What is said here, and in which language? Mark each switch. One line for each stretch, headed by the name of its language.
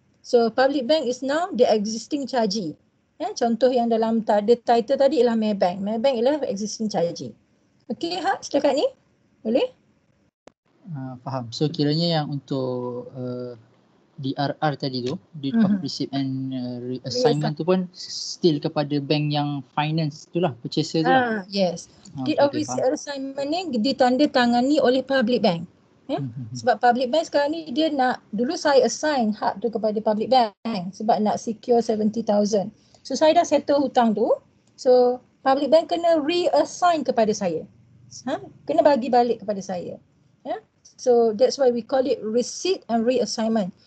English: So public bank is now the existing charge.
Malay: Contoh yang dalam the title tadi ialah Maybank. Maybank ialah existing charge. Okay, ha, setakat ni boleh? Faham. So kiranya yang untuk DRR tadi tu,
English: due to receipt and reassignment
Malay: tu pun still kepada bank yang finance tu lah, purchaser tu lah. Yes. Deed of reassignment ni ditandatangani oleh public bank. Sebab public bank sekarang ni dia nak, dulu saya assign hak tu kepada public bank sebab nak secure $70,000. So saya dah settle hutang tu. So public bank kena reassign kepada saya. Kena bagi balik kepada saya.
English: So that's why we call it receipt and reassignment.